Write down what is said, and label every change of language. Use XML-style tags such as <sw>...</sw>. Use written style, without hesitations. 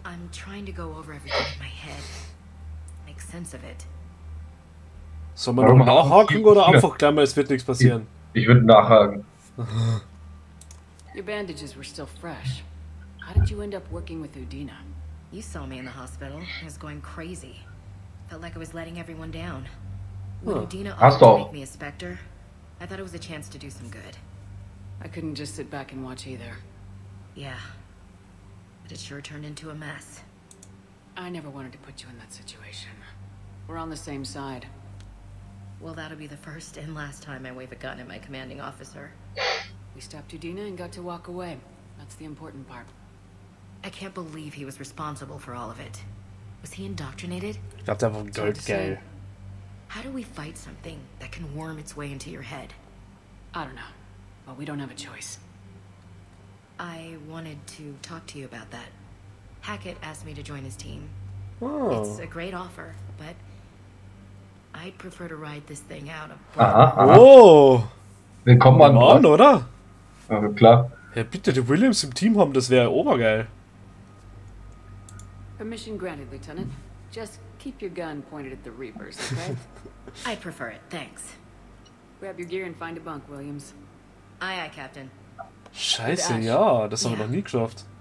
<en>I'm trying to go over everything in my head. Make sense of it.</en> <de>Soll man nur nachhaken oder einfach gleich mal, es wird nichts passieren? Ich würde nachhaken.</de> <en>Your bandages were still fresh. How did you end up working with Udina? You saw me in the hospital. I was going crazy. Felt like I was letting everyone down. Would Udina also make me a specter? I thought it was a chance to do some good. I couldn't just sit back and watch either. Yeah. But it sure turned into a mess. I never wanted to put you in that situation. We're on the same side. Well, that'll be the first and last time I wave a gun at my commanding officer. We stopped Udina and got to walk away. That's the important part. I can't believe he was responsible for all of it. Was he indoctrinated? That's a good guy. How do we fight something that can worm its way into your head? I don't know, but we don't have a choice. I wanted to talk to you about that. Hackett asked me to join his team. Oh. It's a great offer, but I'd prefer to ride this thing out. Oh!</en> <de>Willkommen an Bord, oder? Ja, klar. Ja, bitte, die Williams im Team haben, das wäre obergeil.</de> <en>Permission granted, Lieutenant. Just keep your gun pointed at the Reapers, okay? I prefer it, thanks. Grab your gear and find a bunk, Williams. Aye, aye, Captain.</en> <de>Scheiße, ja, das haben wir noch nie geschafft.</de>